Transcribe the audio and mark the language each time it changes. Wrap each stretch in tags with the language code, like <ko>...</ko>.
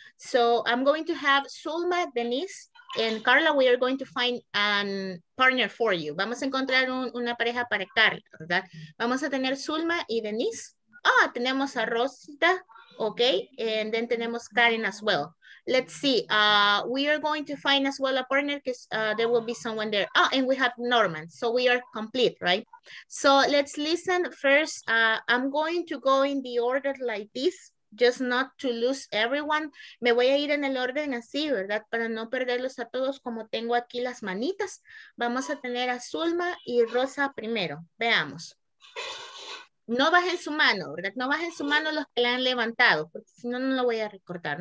<en>So I'm going to have Suma, Denise, and Carla, we are going to find a partner for you.</en> <es>Vamos a encontrar una pareja para Carla, ¿verdad? Vamos a tener Suma y Denise. Ah, oh, tenemos a Rosita, okay,</es> <en>and then</en> <es>tenemos Karen</es> <en>as well. Let's see, we are going to find as well a partner because there will be someone there. Oh, and we have Norman, so we are complete, right? So let's listen first. I'm going to go in the order like this, just not to lose everyone.</en> <es>Me voy a ir en el orden así, ¿verdad? Para no perderlos a todos, como tengo aquí las manitas. Vamos a tener a Zulma y Rosa primero. Veamos. No bajen su mano, ¿verdad? No bajen su mano los que la han levantado, porque si no, no lo voy a recordar.</es>